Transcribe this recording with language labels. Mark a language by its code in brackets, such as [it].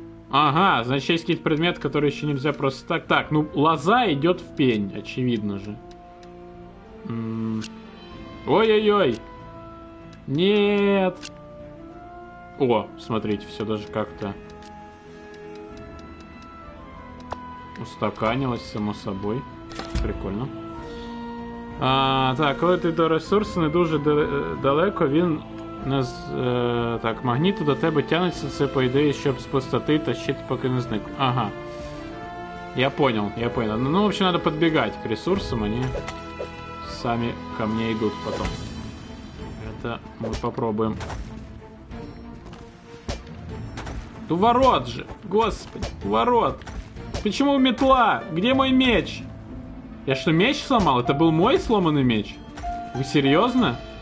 [ru] Ага, значит, есть какие-то предметы, которые еще нельзя просто так. Так, ну, лоза идет в пень, очевидно же. Ой-ой-ой. Нет. О, смотрите, все даже как-то устаканилось само собой. Прикольно. [uk] А, так, коли ти до ресурсу не дуже далеко, він не з... так, магніти до тебе тянуться, це по ідеї, щоб спустити та щит поки не зник. Ага. [ru] Я понял. [uk] Ну, взагалі, треба підбігати к ресурсам, вони самі [ru] ко мне [uk] йдуть потім. Це ми спробуємо. [ru] У ворот же, господи, у ворот. Почему метла? Где мой меч? Я что, меч сломал? Это был мой сломанный меч? Вы серьезно?